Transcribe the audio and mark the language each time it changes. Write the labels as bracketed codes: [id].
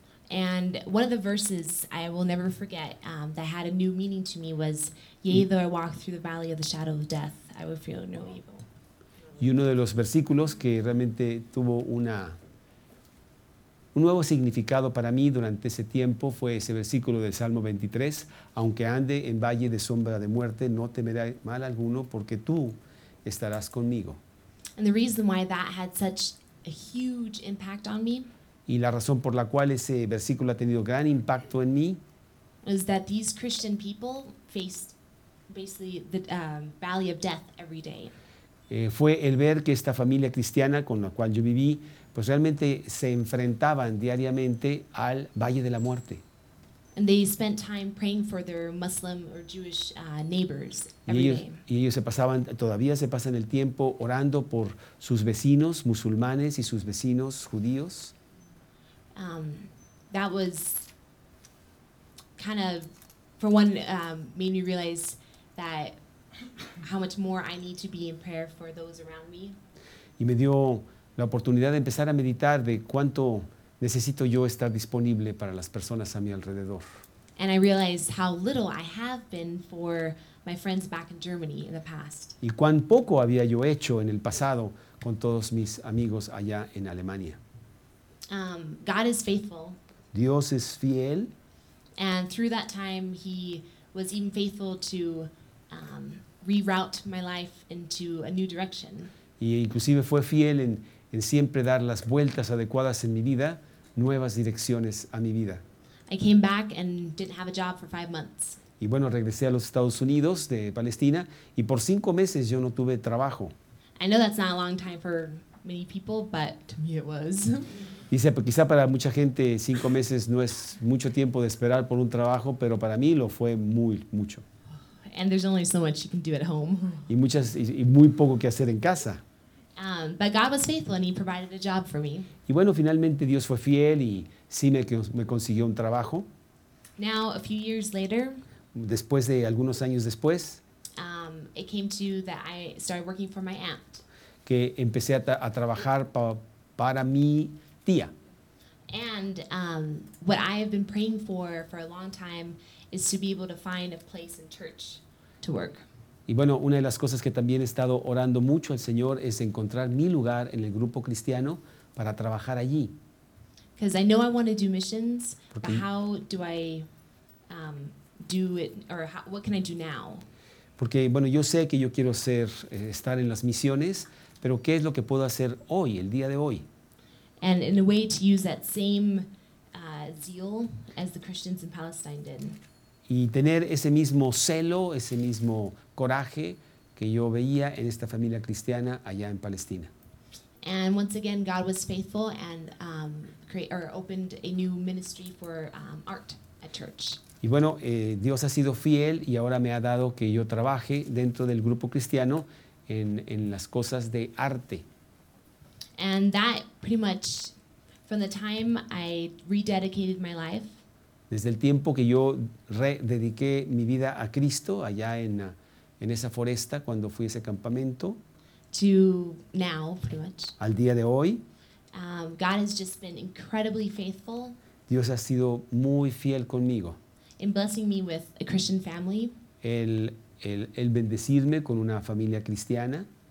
[en] And one of the verses I will never forget that had a new meaning to me was, yea, though I walk through the valley of the shadow of death, I will fear no evil. [es] Y uno de los versículos que realmente tuvo un nuevo significado para mí durante ese tiempo fue ese versículo del Salmo 23, aunque ande en valle de sombra de muerte, no temeré mal alguno, porque tú estarás conmigo. [en] And the reason why that had such a huge impact on me. [es] Y la razón por la cual ese versículo ha tenido gran impacto en mí [en] is that these Christian people faced basically the valley of death every day. [es] Fue el ver que esta familia cristiana con la cual yo viví, pues realmente se enfrentaban diariamente al valle de la muerte. [en] And they spent time praying for their Muslim or Jewish neighbors every day. [es] Y ellos se pasaban, todavía se pasan el tiempo orando por sus vecinos musulmanes y sus vecinos judíos. [en] That was kind of, for one, made me realize that how much more I need to be in prayer for those around me. [es] Y me dio la oportunidad de empezar a meditar de cuánto necesito yo estar disponible para las personas a mi alrededor. [en] And I realized how little I have been for my friends back in Germany in the past. [es] Y cuán poco había yo hecho en el pasado con todos mis amigos allá en Alemania. [en] God is faithful. [es] Dios es fiel. [en] And through that time, he was even faithful to reroute my life into a new direction. [es] Y inclusive fue fiel en siempre dar las vueltas adecuadas en mi vida, nuevas direcciones a mi vida. [en] I came back and didn't have a job for 5 months. [es] Y bueno, regresé a los Estados Unidos de Palestina y por 5 meses yo no tuve trabajo. [en] I know that's not a long time for many people, but to me it was. [es] Dice, pues quizá para mucha gente 5 meses no es mucho tiempo de esperar por un trabajo, pero para mí lo fue muy mucho. [en] And there's only so much you can do at home. [es] Y muchas y muy poco que hacer en casa. [en] But God was faithful and he provided a job for me. [es] Y bueno, finalmente Dios fue fiel y sí me consiguió un trabajo. [en] Now, a few years later, [es] después de algunos años después, [en] it came to that I started working for my aunt. [es] Que empecé a trabajar para mi tía. [en] And what I have been praying for a long time is to be able to find a place in church to work. [es] Y bueno, una de las cosas que también he estado orando mucho al Señor es encontrar mi lugar en el grupo cristiano para trabajar allí. [en] Because I know I want to do missions, but how do I do it, or what can I do now? [es] Porque bueno, yo sé que yo quiero ser estar en las misiones, pero ¿qué es lo que puedo hacer hoy, el día de hoy? [en] And in a way to use that same zeal as the Christians in Palestine did. [es] Y tener ese mismo celo, ese mismo coraje que yo veía en esta familia cristiana allá en Palestina. [en] And once again, God was faithful and opened a new ministry for art at church. [es] Y bueno, Dios ha sido fiel y ahora me ha dado que yo trabaje dentro del grupo cristiano en las cosas de arte. [en] And that pretty much from the time I rededicated my life. [es] Desde el tiempo que yo redediqué mi vida a Cristo allá en esa foresta cuando fui a ese campamento. [en] To now, pretty much. [es] Al día de hoy. [en] God has just been incredibly faithful. [es] Dios ha sido muy fiel conmigo. [en] In blessing me with a Christian family. [es] El bendecirme con una familia cristiana.